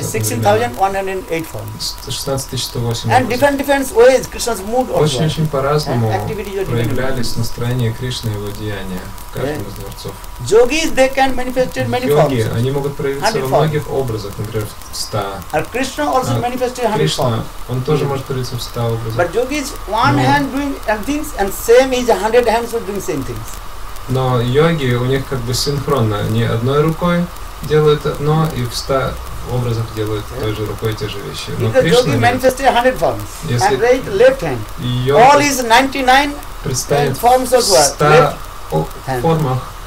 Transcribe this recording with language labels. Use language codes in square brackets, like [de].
[ru] 16,108 образов. Очень-очень по-разному проявлялись настроения Кришны. Кришна его деяния в каждом из дворцов. [en] Yogis, they can manifest in many forms. [ru] Йоги, они могут проявиться во многих образах, например, в ста. [en] Кришна also manifests in hundred forms. [ru] Он тоже может проявиться в ста образах. [en] But yogi is one hand doing things and same is a hundred hands are doing same things. [ru] Но йоги у них как бы синхронно, они одной рукой делают одно и в ста образов делают той же рукой те же вещи. Но [en] Кришна manifests in hundred forms. And right, left hand. All is 99 forms of what? [ru] Ста формах.